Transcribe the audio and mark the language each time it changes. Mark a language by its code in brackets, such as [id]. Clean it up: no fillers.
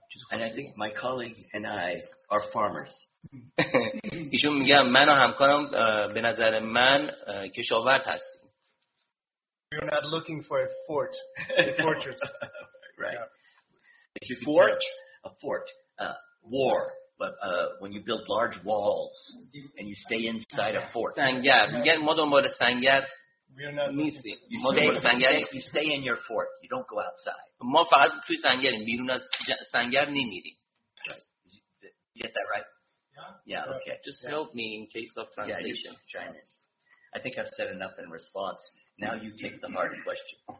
[en] And I think my colleagues and I are farmers. [fa] ایشون میگن من و همکارم به نظر من کشاورز هستیم. [en] You're not looking for a fort, a fortress. Right. Yeah. A fort, war. But when you build large walls and you stay inside a fort. [fa] سنگر. میگن ما دنبال سنگر نیستیم. [en] You stay in your fort. You don't go outside. [fa] ما فقط توی سنگریم. بیرون از سنگر نمیریم. [en] Get that right? Yeah, okay. Just help me in case of translation. Yeah, I think I've said enough in response. Now you take the hard question.